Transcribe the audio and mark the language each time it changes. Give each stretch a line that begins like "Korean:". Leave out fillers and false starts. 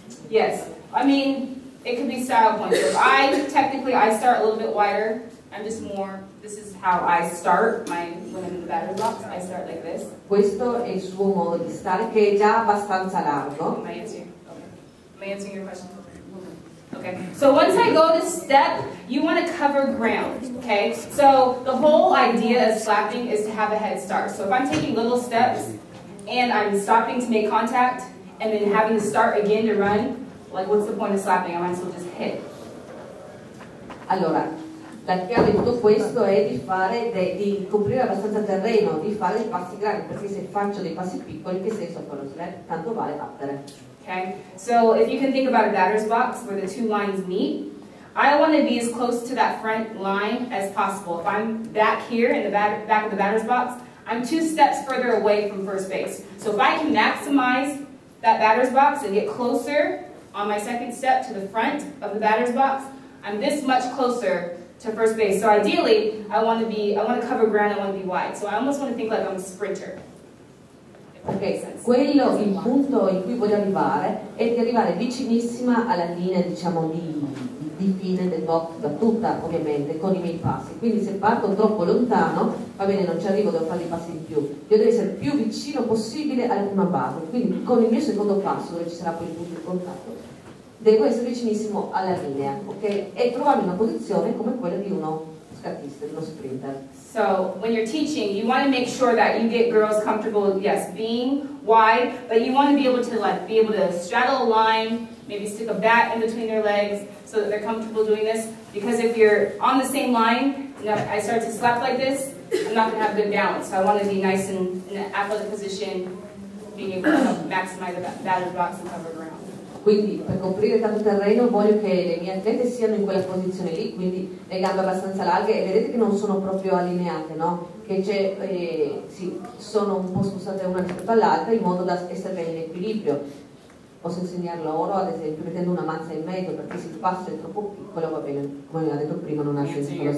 English: Yes, I mean, it could be style point. So if I start a little bit wider, I'm just more, this is how I start my, when I'm in the batter's box, I start like this.
Italian: Questo è il suo modo di stare, che è già abbastanza largo.
English: Am I answering your question? Okay, so once I go to step, you want to cover ground, okay? So the whole idea of slapping is to have a head start. So if I'm taking little steps, and I'm stopping to make contact, and then having to start again to run, like what's the point of slapping? I might as well just hit.
Italian: Allora, la chiave di tutto questo è di coprire abbastanza terreno, di fare dei passi grandi, perché se faccio dei passi piccoli, che senso fa lo slap? Tanto vale battere.
English: Okay, so if you can think about a batter's box where the two lines meet, I want to be as close to that front line as possible. If I'm back here in the back of the batter's box, I'm two steps further away from first base. So if I can maximize that batter's box and get closer on my second step to the front of the batter's box, I'm this much closer to first base. So ideally, I want to cover ground, I want to be wide. So I almost want to think like I'm a sprinter.
Italian: Okay, quello, il punto in cui voglio arrivare è di arrivare vicinissima alla linea, diciamo, di fine del box, da tutta, ovviamente, con i miei passi. Quindi se parto troppo lontano, va bene, non ci arrivo, devo fare i passi in più. Io devo essere più vicino possibile alla prima base. Quindi con il mio secondo passo, dove ci sarà poi il punto di contatto, devo essere vicinissimo alla linea, ok? E trovarmi una posizione come quella di uno scattista, di uno sprinter.
English: So, when you're teaching, you want to make sure that you get girls comfortable, yes, being wide, but you want to be able to, like, be able to straddle a line, maybe stick a bat in between their legs, so that they're comfortable doing this. Because if you're on the same line, and I start to slap like this, I'm not going to have good balance. So I want to be nice and in an athletic position, being able to maximize the batter's box and cover ground.
Italian: Quindi, per coprire tanto terreno, voglio che le mie atlete siano in quella posizione lì, quindi le gambe abbastanza larghe, e vedete che non sono proprio allineate, no? Che c'è, sì, sono un po' spostate una rispetto all'altra, in modo da essere in equilibrio. Posso insegnare loro, ad esempio, mettendo una mazza in mezzo, perché se il passo è troppo piccolo, va bene, come ho detto prima, non ha senso.